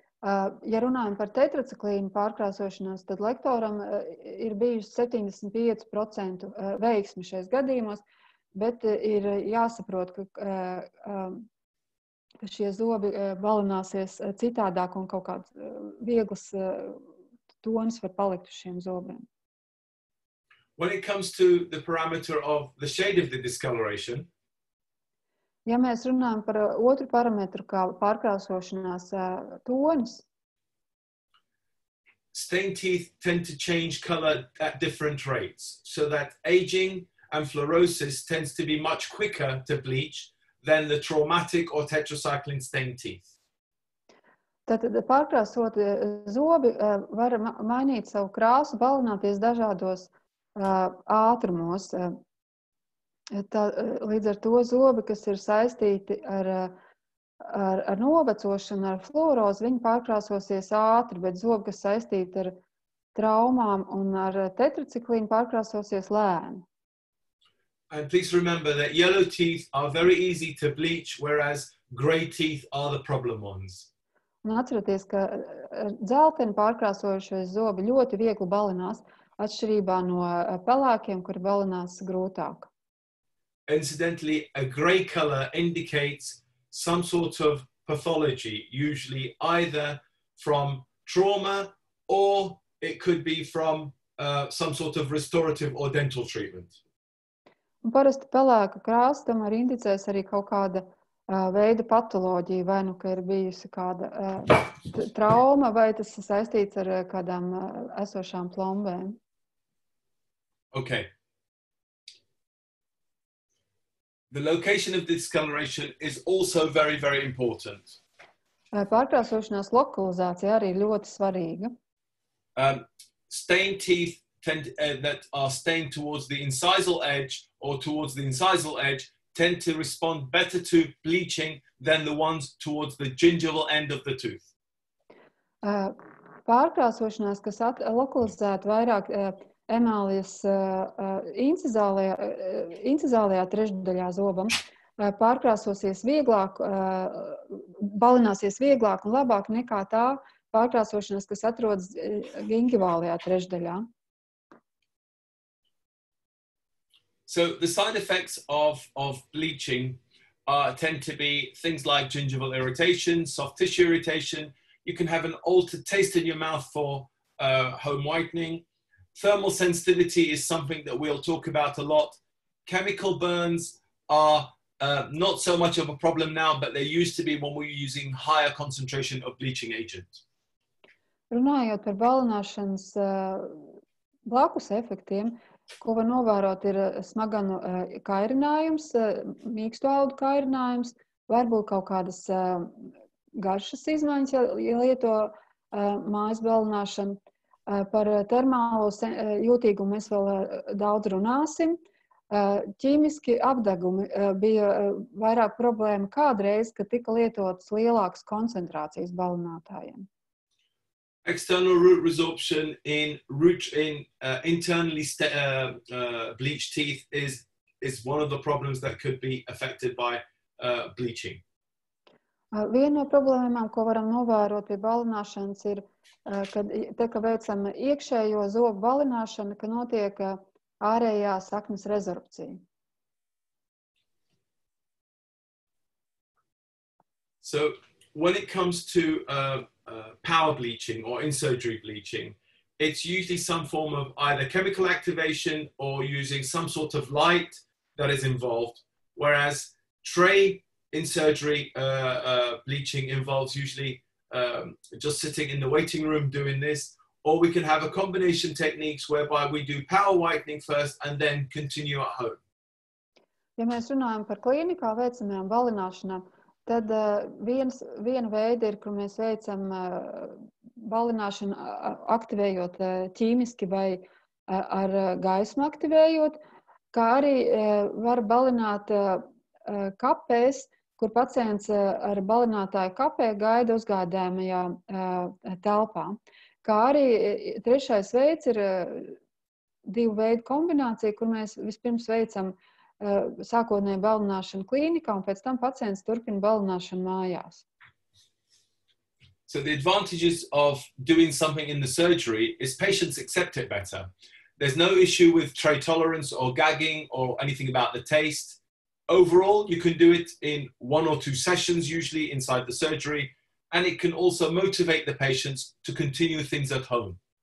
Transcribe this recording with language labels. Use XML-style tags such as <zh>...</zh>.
<lv>Ja runājam par tetraciklīnu pārkrāsošanos, tad lektoram ir bijusi 75% veiksme šais gadījumos, bet ir jāsaprot, ka šie zobi balināsies citādāk un kaut kāds viegls tons var palikt uz šiem zobiem.</lv> <en>When it comes to the parameter of the shade of the discoloration,</en> <lv>ja mēs runājam par otru parametru kā pārkrāsošanās tonis,</lv> <en>stained teeth tend to change color at different rates, so that aging and fluorosis tends to be much quicker to bleach than the traumatic or tetracycline stained teeth.</en> <lv>Tātad pārkrāsot zobi var mainīt savu krāsu, balināties dažādos ātrumos. Līdz ar to zobi, kas ir saistīti ar novecošanu, ar fluorozi, viņi pārkrāsosies ātri, bet zobi, kas saistīti ar traumām un ar tetraciklīnu, pārkrāsosies lēni.</lv> <en>And please remember that yellow teeth are very easy to bleach, whereas grey teeth are the problem ones.</en> <lv>Un atceraties, ka dzelteni pārkrāsojušais zobi ļoti viegli balinās, atšķirībā no pelākiem, kuri balinās grūtāk.</lv> <en>Incidentally, a grey color indicates some sort of pathology, usually either from trauma or it could be from some sort of restorative or dental treatment.</en> <lv>Un parasti pelēka krāsa tomēr indicēs arī kaut kāda veida patoloģija, vai nu, ka ir bijusi kāda trauma, vai tas saistīts ar kādām esošām plombēm.</lv> <en>Okay. The location of discoloration is also very, very important.</en> <lv>Pārkrāsošanās lokalizācija arī ir ļoti svarīga.</lv> <en>Stained teeth that are stained towards the incisal edge or towards the incisal edge tend to respond better to bleaching than the ones towards the gingival end of the tooth.</en> <lv>Pārkrāsošanās, kas lokalizēta vairāk emālijas incizālajā trešdaļā zobam, pārkrāsosies vieglāk, balināsies vieglāk un labāk nekā tā pārkrāsošanās, kas atrodas gingivālajā trešdaļā.</lv> <en>So the side effects of bleaching tend to be things like gingival irritation, soft tissue irritation. You can have an altered taste in your mouth for home whitening. Thermal sensitivity is something that we'll talk about a lot. Chemical burns are not so much of a problem now, but they used to be when we were using higher concentration of bleaching agent.</en> <lv>Runājot par balināšanas blakus efektiem, ko var novērot, ir smaganu kairinājums, mīkstu audu kairinājums, varbūt kaut kādas garšas izmaiņas, ja lieto mājas balināšanu. Par termālo jūtīgumu mēs vēl daudz runāsim. Ķīmiski apdegumi bija vairāk problēma kādreiz, kad tika lietotas lielākas koncentrācijas balinātājiem.</lv> <en>External root resorption in internally bleached teeth is one of the problems that could be affected by bleaching.</en> <lv>Viena no problēmām, ko varam novērot pie balināšanas, ir, kad te, ka veicam iekšējo zobu balināšanu, ka notiek ārējā saknes rezorpcija.</lv> <en>So, when it comes to power bleaching or in-surgery bleaching, it's usually some form of either chemical activation or using some sort of light that is involved, whereas tray in surgery, bleaching involves usually just sitting in the waiting room doing this, or we can have a combination techniques whereby we do power whitening first and then continue at home.</en> <lv>Ja mēs runājam par klīnikā veicamajām balināšanām, tad viena veida ir, kur mēs veicam balināšanu aktivējot ķīmiski vai ar gaismu aktivējot, kā arī var balināt kapēs, kur pacients ar balinātāju kapē gaida uzgādājumajā telpā. Kā arī trešais veids ir divu veidu kombinācija, kur mēs vispirms veicam sākotnēju balināšanu klīnikā un pēc tam pacients turpina balināšanu mājās.</lv> <en>So the advantages of doing something in the surgery is patients accept it better. There's no issue with tray tolerance or gagging or anything about the taste. Overall, you can do it in one or two sessions, usually inside the surgery, and it can also motivate the patients to continue things at home.</en>